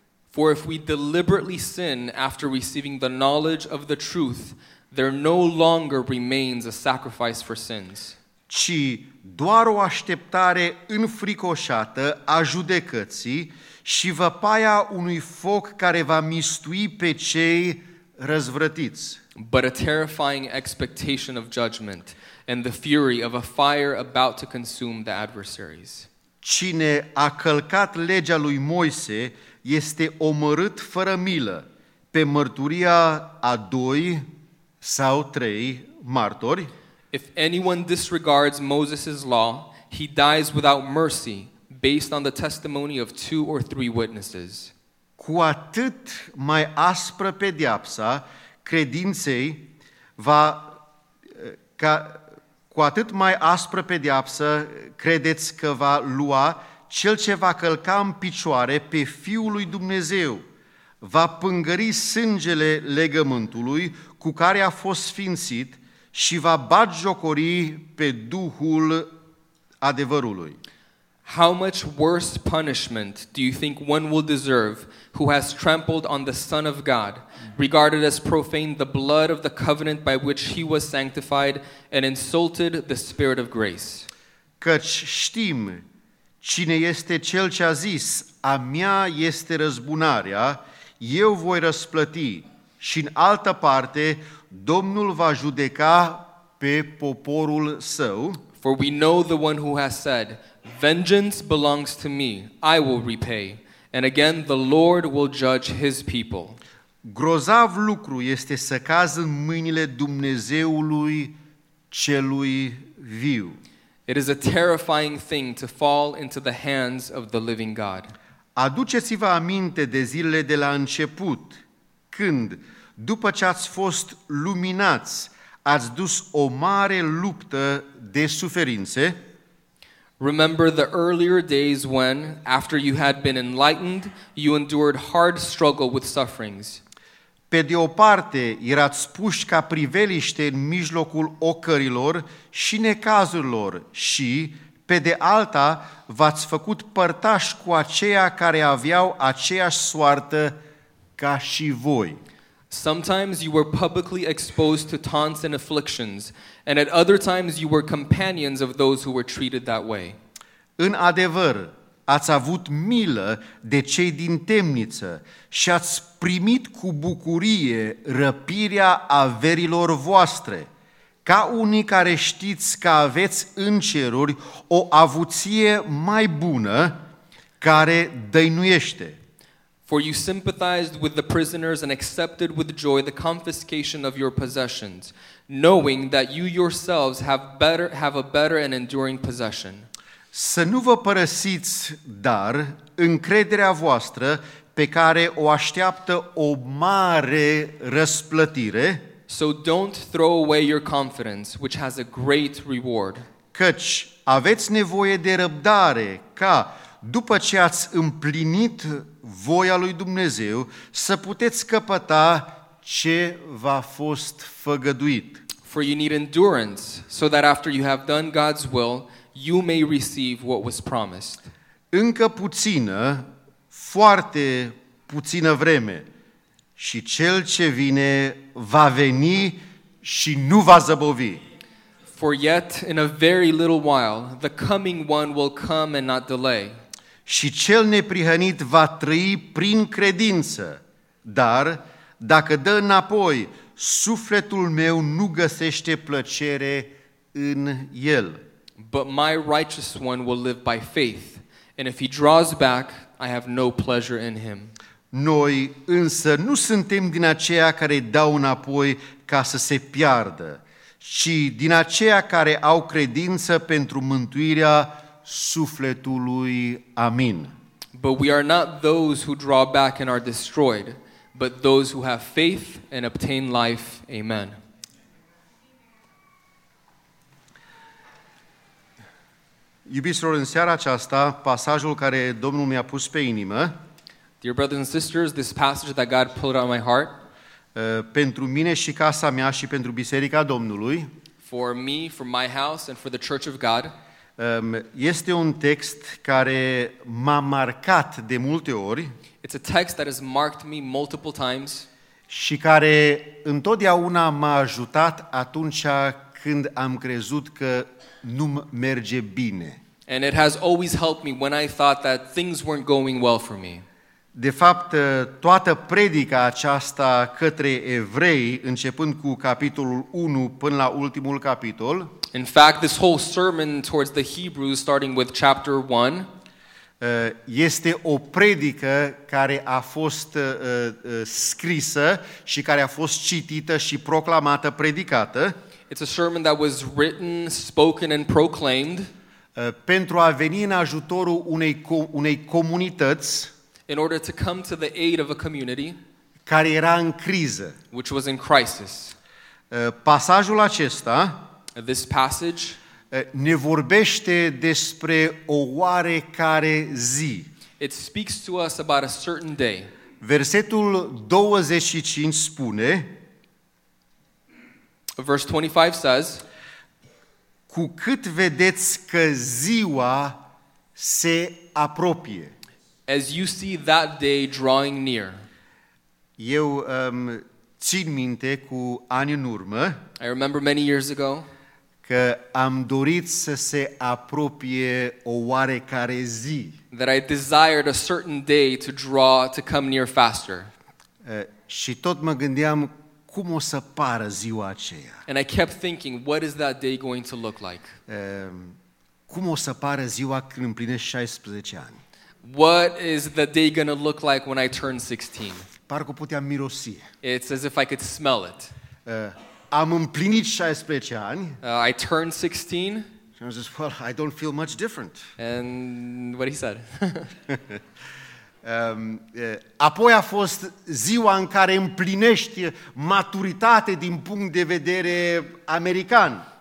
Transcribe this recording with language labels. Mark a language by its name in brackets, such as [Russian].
[English] For if we deliberately sin after receiving the knowledge of the truth, there no longer remains a sacrifice for sins. [Romanian] Ci doar o așteptare înfricoșată a judecății și văpaia unui foc care va mistui pe cei răzvrătiți. [English] But a terrifying expectation of judgment and the fury of a fire about to consume the adversaries. [Romanian] Cine a călcat legea lui Moise este omorât fără milă pe mărturia a doi sau trei martori. [English] If anyone disregards Moses' law, he dies without mercy based on the testimony of two or three witnesses. [Romanian] Cu atât mai aspră pedeapsa credinței va, ca, cu atât mai aspră pedeapsă credeți că va lua cel ce va călca în picioare pe Fiul lui Dumnezeu, va pângări sângele legământului cu care a fost sfințit și va batjocori pe Duhul adevărului. [English] How much worse punishment do you think one will deserve who has trampled on the Son of God, regarded as profane the blood of the covenant by which he was sanctified, and insulted the Spirit of grace? [Romanian] Căci știm cine este cel ce a zis, a mea este răzbunarea, eu voi răsplăti, și în altă parte, Domnul va judeca pe poporul său. [English] For we know the one who has said, vengeance belongs to me, I will repay, and again the Lord will judge his people. [Romanian] Grozav lucru este să cazi în mâinile Dumnezeului celui viu. [English] It is a terrifying thing to fall into the hands of the living God. [Romanian] Aduceți-vă aminte de zilele de la început, când, după ce ați fost luminați, ați dus o mare luptă de suferințe. [English] Remember the earlier days when, after you had been enlightened, you endured hard struggle with sufferings. [Romanian] Pe de o parte, erați puși ca priveliște în mijlocul ocărilor și necazurilor și, pe de alta, v-ați făcut părtași cu aceia care aveau aceeași soartă ca și voi. [English] Sometimes you were publicly exposed to taunts and afflictions, and at other times you were companions of those who were treated that way. [Romanian] În adevăr, ați avut milă de cei din temniță și ați primit cu bucurie răpirea averilor voastre, ca unii care știți că aveți în ceruri o avuție mai bună care dăinuiește. [English] For you sympathized with the prisoners and accepted with joy the confiscation of your possessions, knowing that you yourselves have a better and enduring possession. [Romanian] Să nu vă părăsiți, dar, încrederea voastră pe care o așteaptă o mare răsplătire. [English] So don't throw away your confidence, which has a great reward. [Romanian] Căci aveți nevoie de răbdare ca, după ce ați împlinit voia lui Dumnezeu, să puteți căpăta ce v-a fost făgăduit. [English] For you need endurance, so that after you have done God's will, you may receive what was promised. [Romanian] Încă puțină, foarte puțină vreme, și cel ce vine va veni și nu va zăbovi. [English] For yet in a very little while, the coming one will come and not delay. [Romanian] Și cel neprihănit va trăi prin credință, dar dacă dă înapoi, sufletul meu nu găsește plăcere în el. [English] But my righteous one will live by faith, and if he draws back, I have no pleasure in him. [Romanian] Noi însă nu suntem din aceia care dau înapoi ca să se piardă, ci din aceia care au credință pentru mântuirea sufletului. Amin. [English] But we are not those who draw back and are destroyed, but those who have faith and obtain life. Amen. [Romanian] Iubiților, în seara aceasta, pasajul care Domnul mi-a pus pe inimă, [English] dear brothers and sisters, this passage that God put on my heart, [Romanian] pentru mine și casa mea și pentru biserica Domnului, [English] for me, for my house and for the church of God, [Romanian] este un text care m-a marcat de multe ori. [English] It's a text that has marked me multiple times. [Romanian] Și care întotdeauna m-a ajutat atunci când am crezut că nu-mi merge bine. [English] And it has always helped me when I thought that things weren't going well for me. [Romanian] De fapt, toată predica aceasta către evrei, începând cu capitolul 1 până la ultimul capitol, [English] in fact, this whole sermon towards the Hebrews, starting with chapter 1, [Romanian] este o predică care a fost scrisă și care a fost citită și proclamată, predicată. [English] It's a sermon that was written, spoken and proclaimed [Romanian] pentru a veni în ajutorul unei comunități, [English] in order to come to the aid of a community, [Romanian] care era în criză, [English] which was in crisis. [Romanian] Pasajul acesta, [English] this passage, [Romanian] ne vorbește despre o oarecare zi. [English] It speaks to us about a certain day. [Romanian] Versetul 25 spune, [English] verse 25 says, [Romanian] cu cât vedeți că ziua se apropie. [English] As you see that day drawing near. [Romanian] Eu țin minte cu ani în urmă. [English] I remember many years ago. [Romanian] Că am dorit să se apropie o oarecare zi. [English] That I desired a certain day to draw, to come near faster. [Romanian] Și tot mă gândeam cum o să pară ziua aceea. [English] And I kept thinking, what is that day going to look like? [Romanian] Cum o să pară ziua când împlinesc 16 ani? [English] What is the day going to look like when I turn 16? [Romanian] Parcă puteam mirosi. [English] It's as if I could smell it. [Romanian] Am împlinit 16 ani. [English] I turned 16. [Romanian] Și am zis, [English] well, I don't feel much different. And what he said. [Romanian] apoi a fost ziua în care împlinești maturitate din punct de vedere american.